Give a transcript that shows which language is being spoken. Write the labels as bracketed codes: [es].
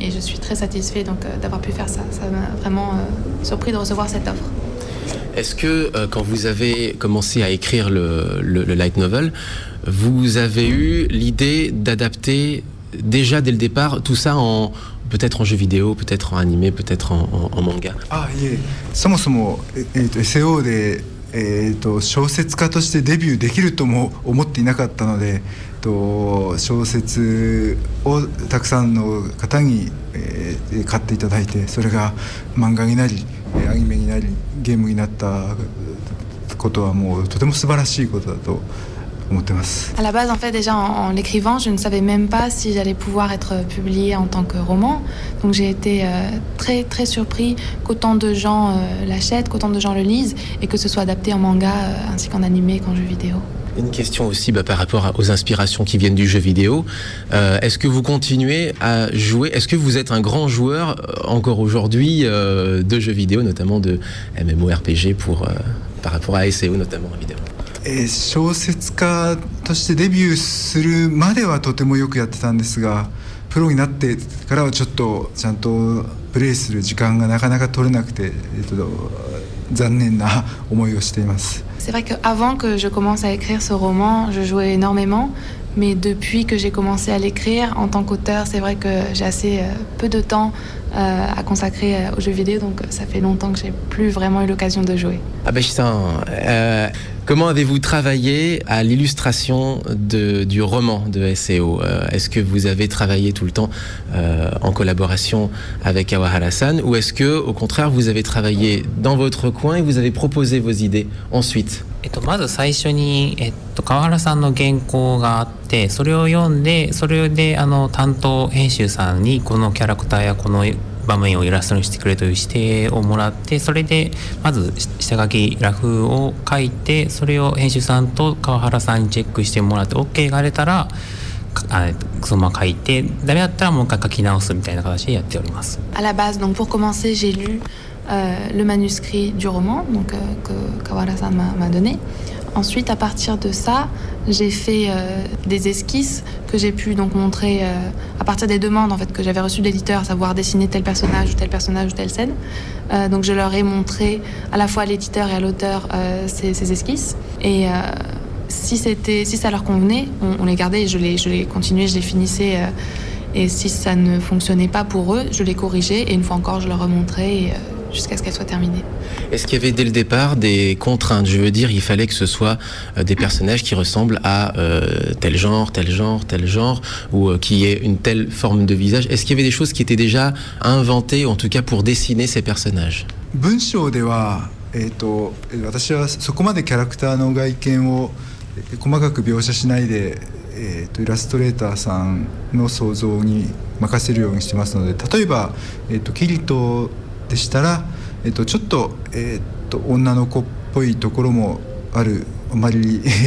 [fr] Et je suis très satisfait donc d'avoir pu faire ça. Ça m'a vraiment surpris de recevoir cette offre. Est-ce que quand vous avez commencé à écrire le light novel, vous avez eu l'idée d'adapter déjà dès le départ tout ça en peut-être en jeu vidéo, peut-être en animé, peut-être en manga. Ah, oui. [ja] そもそも、SAO で、小説家としてデビューできるとも思っていなかったので、小説をたくさんの方に、買っていただいて、それが漫画になり、アニメになり、ゲームになったことはもうとても素晴らしいことだと。 [fr] À la base, en fait, déjà en l'écrivant, je ne savais même pas si j'allais pouvoir être publiée en tant que roman. Donc j'ai été très très surpris qu'autant de gens l'achètent, qu'autant de gens le lisent et que ce soit adapté en manga ainsi qu'en animé, qu'en jeu vidéo. Une question aussi par rapport aux inspirations qui viennent du jeu vidéo. Est-ce que vous continuez à jouer ? Est-ce que vous êtes un grand joueur encore aujourd'hui de jeux vidéo, notamment de MMORPG pour, par rapport à SAO notamment, évidemment ? [ja] 小説家としてデビューするまではとてもよくやってたんですが、プロになってからはちょっとちゃんとプレイする時間がなかなか取れなくて、残念な思いをしています。 [fr] C'est vrai que avant que je commence à écrire ce roman, je jouais énormément, mais depuis que j'ai commencé à l'écrire en tant qu'auteur, c'est vrai que j'ai assez peu de temps à consacrer aux jeux vidéo, donc ça fait longtemps que j'ai plus vraiment eu l'occasion de jouer. Ah ben justement, comment avez-vous travaillé à l'illustration du roman de SAO ? Est-ce que vous avez travaillé tout le temps en collaboration avec Kawahara-san, ou est-ce que, au contraire, vous avez travaillé dans votre coin et vous avez proposé vos idées ensuite ? [ja] まず最初に、川原さんの原稿があって、それを読んで、それで担当編集さんにこのキャラクターやこの場面をイラストにしてくれという指定をもらって、それでまず下書きラフを書いて、それを編集さんと川原さんにチェックしてもらって OK が出たら、そのまま書いて、ダメだったらもう一回書き直すみたいな形でやっております。 [fr] À la base, donc pour commencer, j'ai lule manuscrit du roman donc, que Kawara-san m'a donné. Ensuite, à partir de ça, j'ai fait des esquisses que j'ai pu donc montrer à partir des demandes en fait, que j'avais reçues de l'éditeur, à savoir dessiner tel personnage ou tel personnage ou telle scène. Donc je leur ai montré à la fois à l'éditeur et à l'auteur ces esquisses. Et si ça leur convenait, on les gardait, je les continuais, je les finissais. Et si ça ne fonctionnait pas pour eux, je les corrigeais et une fois encore, je leur remontrais. Jusqu'à ce qu'elle soit terminée. Est-ce qu'il y avait dès le départ des contraintes ? Je veux dire, il fallait que ce soit des personnages qui ressemblent à tel genre, tel genre, tel genre, ou qui aient une telle forme de visage. Est-ce qu'il y avait des choses qui étaient déjà inventées, en tout cas pour dessiner ces personnages ? [ja] 文章では、私はそこまでキャラクターの外見を細かく描写しないで、イラストレーターさんの想像に任せるようにしてますので、例えば、キリトでしたら、ちょっと、女の子っぽいところもある、あまり